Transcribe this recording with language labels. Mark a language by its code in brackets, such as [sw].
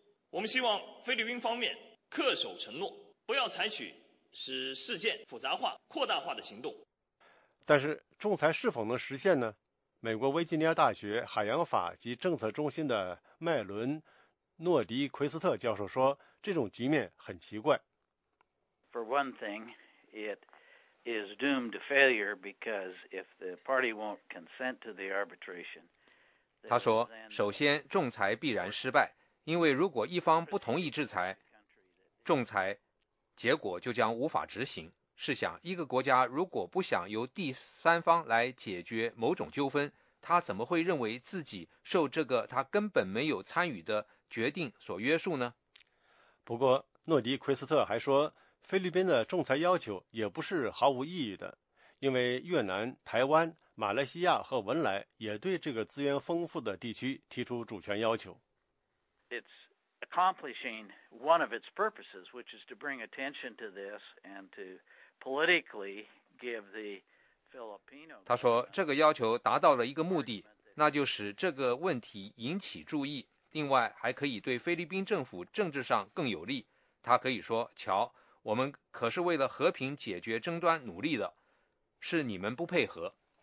[zh] 我们希望菲律宾方面恪守承诺，不要采取使事件复杂化、扩大化的行动。但是，仲裁是否能实现呢？美国维吉尼亚大学海洋法及政策中心的麦伦·诺迪·奎斯特教授说，这种局面很奇怪。 [en] For one thing, it is doomed to failure because if the party won't consent to the arbitration. [zh] 他说，首先仲裁必然失败，因为如果一方不同意制裁，仲裁结果就将无法执行。试想，一个国家如果不想由第三方来解决某种纠纷，他怎么会认为自己受这个他根本没有参与的决定所约束呢？不过，诺迪·奎斯特还说，菲律宾的仲裁要求也不是毫无意义的，因为越南、台湾、马来西亚和文莱也对这个资源丰富的地区提出主权要求。 [en] It's accomplishing one of its purposes, which is to bring attention to this and to politically give the Filipino. [zh] 他说，这个要求达到了一个目的，那就是这个问题引起注意，另外还可以对菲律宾政府政治上更有利。他可以说，瞧，我们可是为了和平解决争端努力的，是你们不配合。